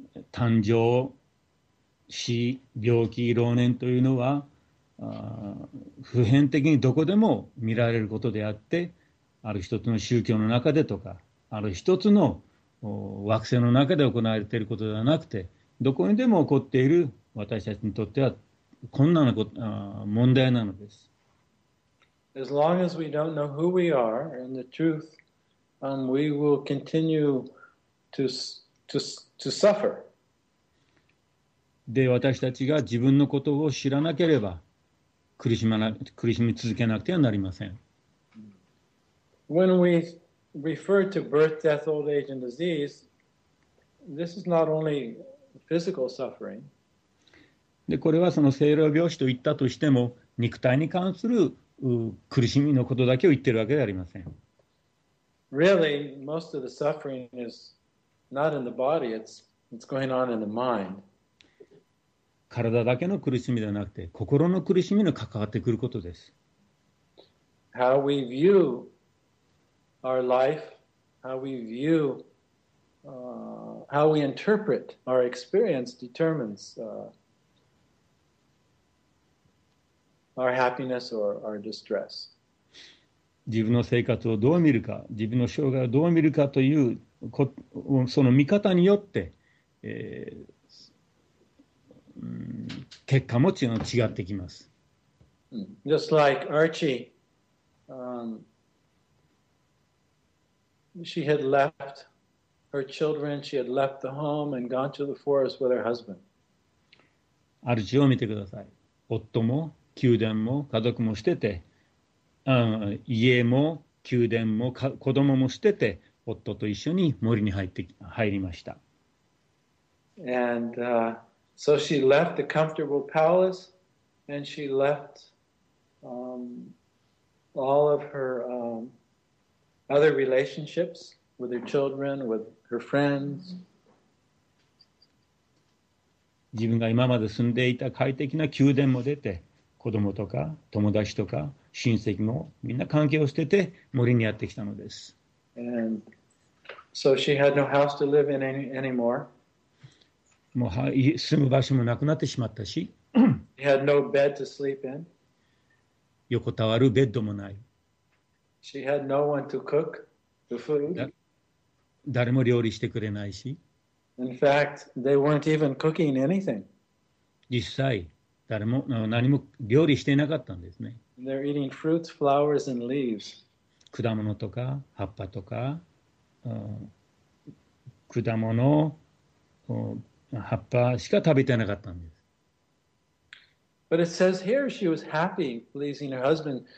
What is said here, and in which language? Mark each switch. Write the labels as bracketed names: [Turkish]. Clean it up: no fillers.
[Japanese] 誕生、死、病気、老年というのは普遍的にどこでも見られることであって、ある一つの宗教の中でとか、ある一つの惑星の中で行われていることではなくて、どこにでも起こっている、私たちにとっては困難なこと、問題なのです。 [English] As long as we don't know who we are and the truth, we will continue to suffer. [Japanese] で、私たちが自分のことを知らなければ苦しみ続けなくてはなりません。 [English] When we refer to birth, death, old age, and disease, this is not only physical suffering. [Japanese] で、これはその生老病死と言ったとしても、肉体に関する苦しみのことだけを言ってるわけではありません。 [English] Really, most of the suffering is not in the body, it's going on in the mind. [Japanese] 体だけの苦しみではなくて、心の苦しみに関わってくることです。 [English] How we view our life, how we view, how we interpret our experience determines, our happiness or our distress. [Japanese] 自分の生活をどう見るか、自分の生涯をどう見るかという、その見方によって、結果も違ってきます。 [English] Just like Archie, she had left her children, she had left the home and gone to the forest with her husband. [Japanese] アルチを見てください。夫も宮殿も家族も捨てて、家も宮殿も子供も捨てて、夫と一緒に森に入りました。 [English] And so she left the comfortable palace, and she left all of her other relationships with her children, with her friends. [Japanese] 自分が今まで住んでいた快適な宮殿も出て、子供とか友達とか親戚もみんな関係を捨てて森にやってきたのです。 [English] And so she had no house to live in anymore. [Japanese] もう住む場所もなくなってしまったし、 [English] She had no bed to sleep in. [Japanese] 横たわるベッドもない。 [English] She had no one to cook the food. [Japanese] 誰も料理してくれないし、 [English] In fact, they weren't even cooking anything. [Japanese] 実際誰も何も料理していなかったんですね。 [English] They're eating fruits, flowers, and leaves. [Japanese] 果物とか葉っぱとか、果物、葉っぱしか食べてなかったんです。 [English] But it says here she was happy pleasing her husband.